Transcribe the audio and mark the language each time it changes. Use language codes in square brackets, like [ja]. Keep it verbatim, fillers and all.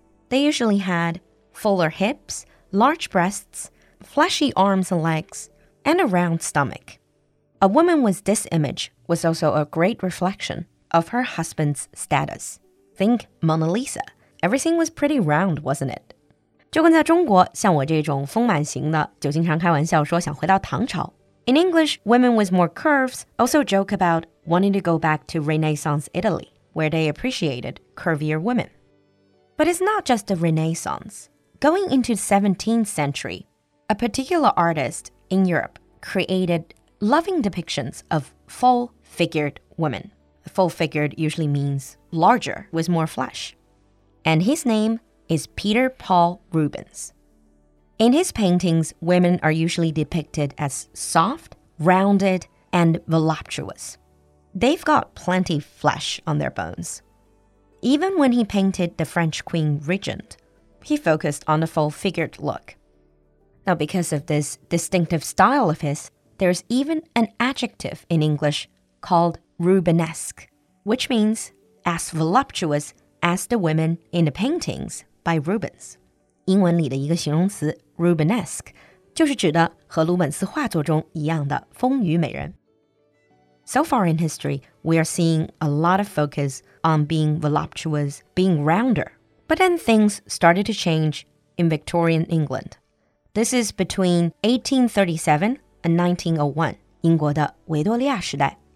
[en] They usually had fuller hips, large breasts, fleshy arms and legs, and a round stomach. A woman with this image was also a great reflection of her husband's status. Think Mona Lisa. Everything was pretty round, wasn't it? [zh] 就跟在中国，像我这种丰满型的，就经常开玩笑说想回到唐朝。 [en] In English, women with more curves also joke about wanting to go back to Renaissance Italy, where they appreciated curvier women. But it's not just the Renaissance. Going into the seventeenth century, a particular artist in Europe created loving depictions of full-figured women. Full-figured usually means larger with more flesh. And his name is Peter Paul Rubens. In his paintings, women are usually depicted as soft, rounded, and voluptuous. They've got plenty of flesh on their bones. Even when he painted the French Queen Regent, he focused on the full-figured look. Now, because of this distinctive style of his, there's even an adjective in English called Rubenesque, which means as voluptuous as the women in the paintings by Rubens. [zh] 英文里的一个形容词 [en] Rubenesque [zh] 就是指的和鲁本斯画作中一样的风雨美人。 [en] So far in history, we are seeing a lot of focus on being voluptuous, being rounder. But then things started to change in Victorian England. This is between eighteen thirty-seven and nineteen oh one, [zh] 英国的维多利亚时代.